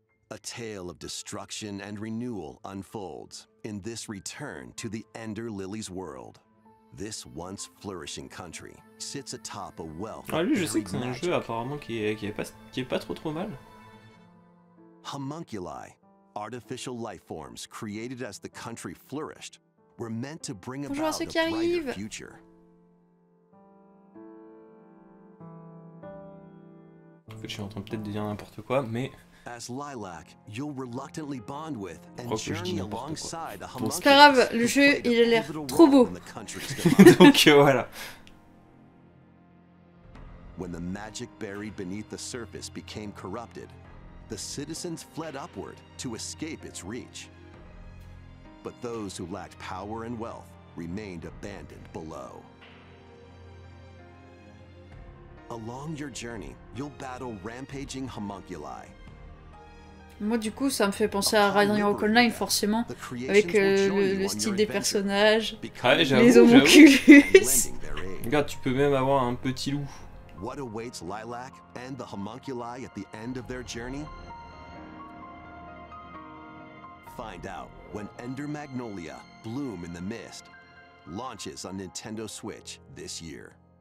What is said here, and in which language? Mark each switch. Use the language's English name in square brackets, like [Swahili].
[English] A tale of destruction and renewal unfolds in this return to the Ender Lily's world. This once flourishing country sits atop a wealth. [French] Ah lui, je sais que c'est un jeu apparemment qui est pas trop mal. [English] Homunculi, artificial life forms created as the country flourished, were meant to bring about a brighter future. [French] En fait, je suis en train peut-être de dire n'importe quoi, mais. [English] As Lilac, you'll reluctantly bond with and journey alongside a homunculus. [French] C'est pas grave, le jeu il a l'air trop beau. Donc voilà. [English] When the magic buried beneath the surface became corrupted, the citizens fled upward to escape its reach. But those who lacked power and wealth remained abandoned below. Along your journey, you'll battle rampaging homunculi. [French] Moi, du coup, ça me fait penser à Radiant Heroes Online, forcément, avec le style des personnages, ouais, les homunculus. Regarde, tu peux même avoir un petit loup. [English] What awaits Lilac and the homunculi at the end of their journey? Find out when Ender Magnolia, Bloom in the Mist, launches on Nintendo Switch this year.